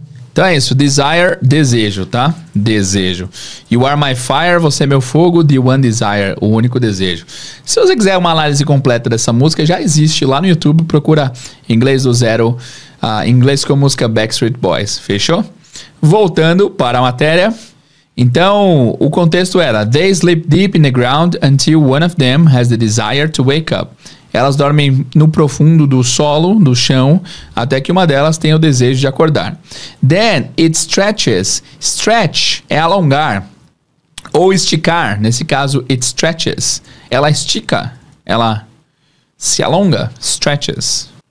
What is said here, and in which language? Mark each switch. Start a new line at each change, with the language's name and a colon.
Portuguese: Então é isso, desire, desejo, tá? Desejo.
English: You are my fire,
Portuguese: você é meu fogo,
English: the one desire,
Portuguese: o único desejo. Se você quiser uma análise completa dessa música, já existe lá no YouTube, procura Inglês do Zero, Inglês com a música Backstreet Boys, fechou? Voltando para a matéria. Então, o contexto era,
English: they sleep deep in the ground until one of them has the desire to wake up.
Portuguese: Elas dormem no profundo do solo, do chão, até que uma delas tenha o desejo de acordar.
English: Then it stretches.
Portuguese: Stretch é alongar ou esticar. Nesse caso, it stretches. Ela estica. Ela se alonga. Stretches.